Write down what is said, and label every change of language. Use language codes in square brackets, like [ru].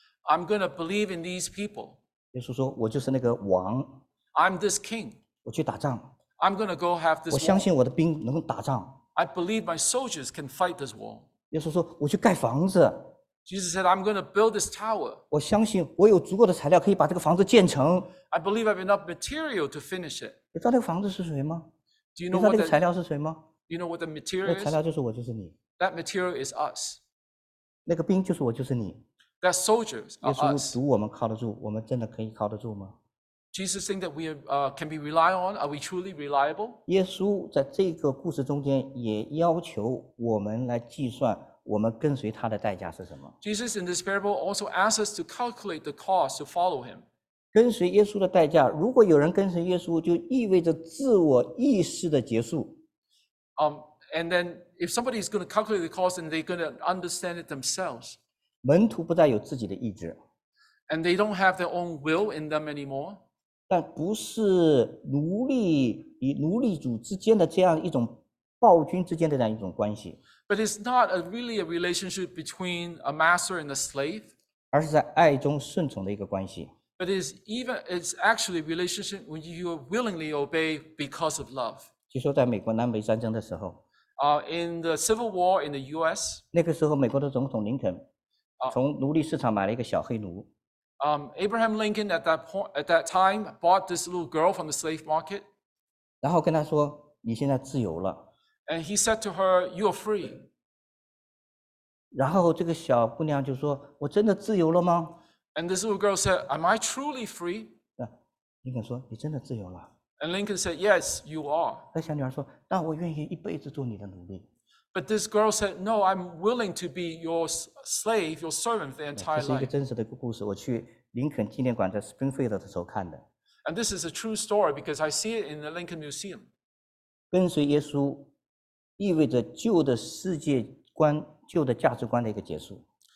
[en] I'm going to believe in these people. [zh] 耶稣说，我就是那个王。 [en] I'm this king. [zh] 我去打仗。 [en] I'm going to go have this war. [zh] 我相信我的兵能打仗。 [en] I believe my soldiers can fight this war. [zh] 耶稣说，我去盖房子。 [en] Jesus said, I'm going to build this tower. [zh] 我相信我有足够的材料可以把这个房子建成。 [en] I believe I have enough material to finish it. [zh] 你知道那个房子是谁吗？ [en] Do you know [zh] 你知道那个材料是谁吗？ [en] You know what the material is? [zh] 那材料就是我，就是你。 [en] That material is us. [zh] 那个兵就是我，就是你。 [en] That soldiers are us. [zh] 耶稣赌我们靠得住，我们真的可以靠得住吗？ [en] Jesus think that we are, can be relied on. Are we truly reliable? [zh] 耶稣在这个故事中间也要求我们来计算我们跟随他的代价是什么。 [en] Jesus in this parable also asks us to calculate the cost to follow him. [zh] 跟随耶稣的代价，如果有人跟随耶稣，就意味着自我意识的结束。 [en] And then if somebody is going to calculate the cost and they're going to understand it themselves. [zh] 门徒不再有自己的意志。 [en] And they don't have their own will in them anymore. [zh] 但不是奴隶与奴隶主之间的这样一种暴君之间的这样一种关系。 [en] But it's not a really a relationship between a master and a slave. [zh] 而是在爱中顺从的一个关系。 [en] But it's actually a relationship when you willingly obey because of love. [zh] 据说在美国南北战争的时候。 [en] In the Civil War in the US. [zh] 那个时候美国的总统林肯从奴隶市场买了一个小黑奴。 [en] Abraham Lincoln at that time bought this little girl from the slave market. [zh] 然后跟他说，你现在自由了。 [en] And he said to her, "You are free." [zh] 然后这个小姑娘就说，我真的自由了吗？ [en] And this little girl said, "Am I truly free?" [zh] 林肯说，你真的自由了。 [en] And Lincoln said, "Yes, you are." [zh] 那小女孩说，那我愿意一辈子做你的奴隶。 [en] But this girl said, "No, I'm willing to be your slave, your servant the entire life." [zh] 这是一个真实的故事，我去林肯纪念馆在 Springfield 的时候看的。 [en] And this is a true story because I see it in the Lincoln Museum. [zh] 跟随耶稣意味着旧的世界观、旧的价值观的一个结束。